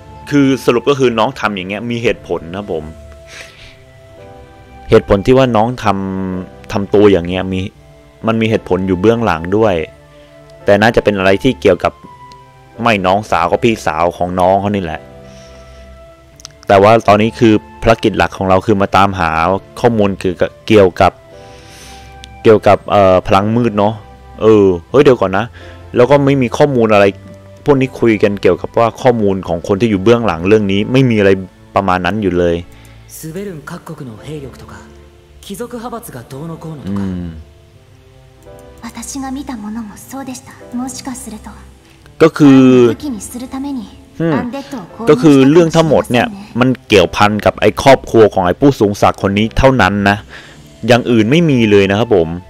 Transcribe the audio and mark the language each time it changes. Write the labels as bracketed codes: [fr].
[th] คือสรุปก็คือน้องทำอย่างเงี้ยมีเหตุผลนะผมเหตุผลที่ว่าน้องทำตัวอย่างเงี้ยมันมีเหตุผลอยู่เบื้องหลังด้วยแต่น่าจะเป็นอะไรที่เกี่ยวกับไม่น้องสาวก็พี่สาวของน้องเขานี่แหละแต่ว่าตอนนี้คือภารกิจหลักของเราคือมาตามหาข้อมูลคือเกี่ยวกับพลังมืดเนาะเออเฮ้ยเดี๋ยวก่อนนะแล้วก็ไม่มีข้อมูลอะไรพวกนี้คุยกันเกี่ยวกับว่าข้อมูลของคนที่อยู่เบื้องหลังเรื่องนี้ไม่มีอะไรประมาณนั้นอยู่เลย [ja] สเวรุน各国の兵力とか貴族派閥がどうのこうのとか私が見たものもそうでしたもしかすると [th] ก็คือที่นี้ [ja] するために [th] ก็คือเรื่องทั้งหมดเนี่ยมันเกี่ยวพันกับไอ้ครอบครัวของไอ้ผู้สูงศักดิ์คนนี้เท่านั้นนะอย่างอื่นไม่มีเลยนะครับผม